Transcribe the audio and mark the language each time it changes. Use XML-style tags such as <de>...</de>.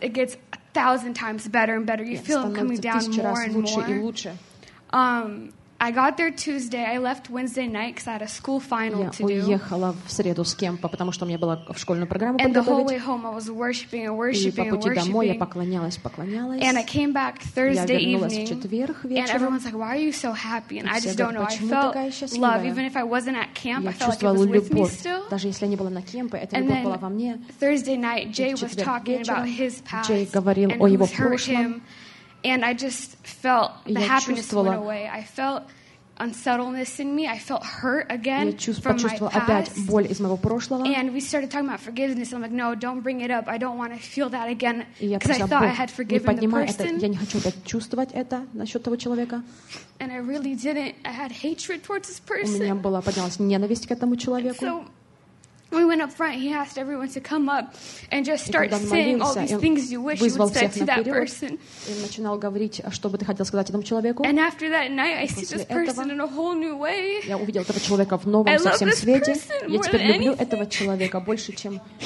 <en>It gets 1,000 times better and better. You feel it coming down more and more.</en> <ru>Лучше и лучше.</ru> <en>I got there Tuesday. I left Wednesday night because I had a school final to do.</en> <ru>Я уехала в среду с кем-то, потому что у меня была в школьную программу подготовить.</ru> <en>And the whole way home, I was worshiping and worshiping and worshiping.</en> <ru>И по пути домой я поклонялась, поклонялась.</ru> <en>And I came back Thursday evening.</en> <ru>Я вернулась в четверг вечером.</ru> <en>And everyone's like, "Why are you so happy?" And I just don't know. I felt love, even if I wasn't at camp.</en> <ru>Я чувствовала любовь, даже если я не была на кемпе, эта любовь была во мне.</ru> <en>And then Thursday night, Jay was talking about his past.</en> <ru>Джей говорил о его прошлом.</ru> <en>And I just felt the happiness went away. I felt unsettledness in me. I felt hurt again from my past.</en> <ru>Я опять боль из моего прошлого.</ru> <en>And we started talking about forgiveness. I'm like, no, don't бring it up. I don't want to feel that again. Because I thought I had forgiven the person.</en> <ru>Я не хочу опять чувствовать это насчет того человека.</ru> <en>And I really didn't. I had hatred towards this person.</en> <ru>У меня была поднялась ненависть к этому человеку.</ru> <en>We went up front. He asked everyone to come up and just start saying all these things you wish you would say to that person.</en> <ru>И начинал говорить, что бы ты хотел сказать этому человеку.</ru> <en>And after that night, I see this person in a whole new way.</en> <ru>Я увидел этого человека в новом совсем свете. Я теперь люблю этого человека больше, чем.</ru>